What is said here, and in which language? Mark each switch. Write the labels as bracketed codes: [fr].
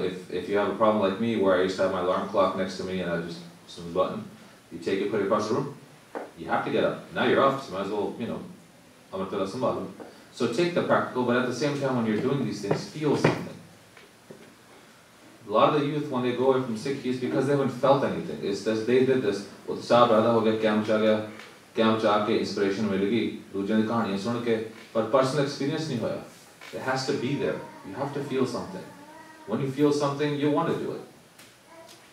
[en] If you have a problem like me where I used to have my alarm clock next to me and I just some button, you take it, put it across the room, you have to get up. Now you're up, so you might as well, you know, I'm going to put up some button. So take the practical, but at the same time when you're doing these things, feel something. A lot of the youth, when they go away from Sikhi, it's because they haven't felt anything. It's that they did this. [pa] ਉਤਸ਼ਾਹ ਪੈਦਾ ਹੋ ਗਿਆ, ਕਿਆਮ ਚਾ ਗਿਆ, ਕਿਆਮ ਚਾ ਕੇ inspiration ਮਿਲੇਗੀ, ਦੂਜਿਆਂ ਦੀ ਕਹਾਣੀਆਂ ਸੁਣ ਕੇ, [en] but personal experience [pa] ਨਹੀਂ ਹੋਇਆ. [en] It has to be there. You have to feel something. When you feel something, you want to do it.